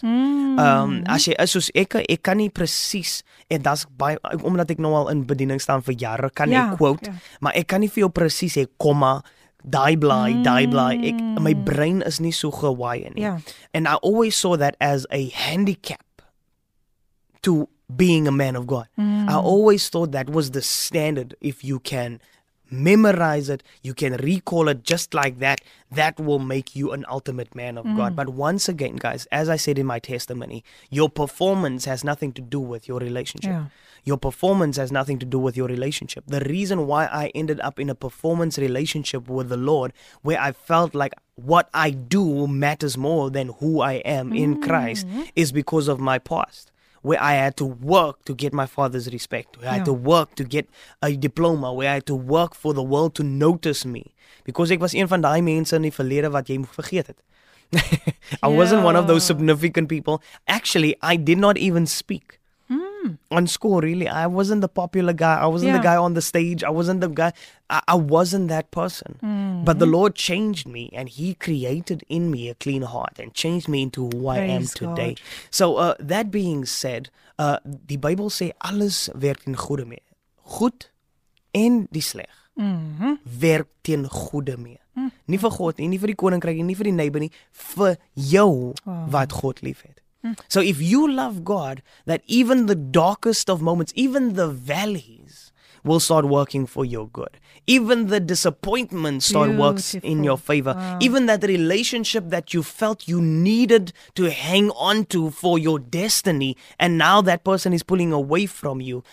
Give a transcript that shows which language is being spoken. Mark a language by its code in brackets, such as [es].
[af] As jy is soos ek kan nie presies, en dat's baie, omdat ek nou al in bediening staan vir jare, kan ek quote, maar ek kan nie vir jou presies sê komma, die bly, ek, my brain is nie so gewaie nie. [en] Yeah. And I always saw that as a handicap to being a man of God. Mm. I always thought that was the standard. If you can memorize it, you can recall it just like that, that will make you an ultimate man of God. But once again, guys, as I said in my testimony, your performance has nothing to do with your relationship. Yeah. Your performance has nothing to do with your relationship. The reason why I ended up in a performance relationship with the Lord, where I felt like what I do matters more than who I am in Christ, is because of my past. Where I had to work to get my father's respect. Where I had to work to get a diploma. Where I had to work for the world to notice me. [af] Because ek was een van die mense in die verlede wat jy vergeet het. [en] I wasn't one of those significant people. Actually, I did not even speak. On school, really. I wasn't the popular guy. I wasn't the guy on the stage. I wasn't the guy. I wasn't that person. Mm-hmm. But the Lord changed me, and he created in me a clean heart and changed me into who Praise I am today. God. So that being said, the Bible say [af] alles werk ten goede mee. Goed en die sleg werk ten goede mee. Mm-hmm. Nie vir God nie, nie vir die koninkryk nie, nie vir die neighbor nie, vir jou wat God lief het. [en] So if you love God, that even the darkest of moments, even the valleys will start working for your good. Even the disappointment start works in your favor. Wow. Even that relationship that you felt you needed to hang on to for your destiny, and now that person is pulling away from you.